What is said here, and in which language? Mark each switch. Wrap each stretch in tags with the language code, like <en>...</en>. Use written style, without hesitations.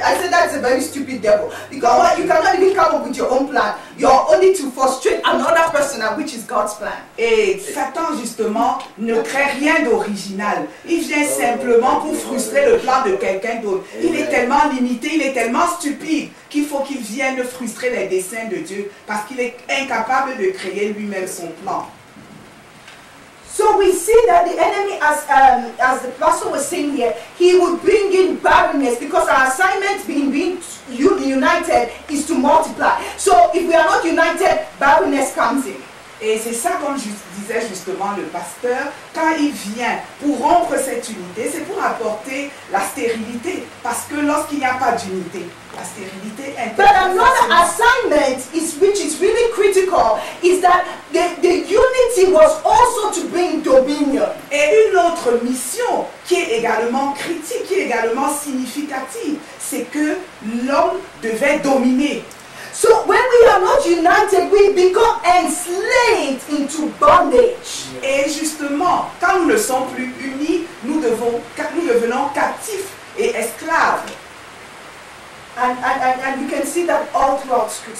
<en>I said that's a very stupid devil because what, you cannot even come up with your own plan. You are only to frustrate another person, which is God's plan.</en> <fr>Et Satan justement ne crée rien d'original. Il vient simplement pour frustrer le plan de quelqu'un d'autre. Il est tellement limité, il est tellement stupide qu'il faut qu'il vienne frustrer les desseins de Dieu parce qu'il est incapable de créer lui-même son plan.</fr> <en>So we see that the enemy, as the pastor was saying here, he would bring in barrenness because our assignment being united is to multiply. So if we are not united, barrenness comes in.</en> <fr>Et c'est ça comme disait justement le pasteur, quand il vient pour rompre cette unité, c'est pour apporter la stérilité. Parce que lorsqu'il n'y a pas d'unité, la stérilité est...</fr> <en>But another assignment is, which is really critical, is that the unity was also to bring dominion.</en> <fr>Et une autre mission qui est également critique, qui est également significative, c'est que l'homme devait dominer.</fr> <en>So when we are not united, we become enslaved into bondage.</en> <fr>Et justement, quand nous ne sommes plus unis, nous devenons captifs et esclaves.</fr> <en>And you can see that all throughout Scripture.</en>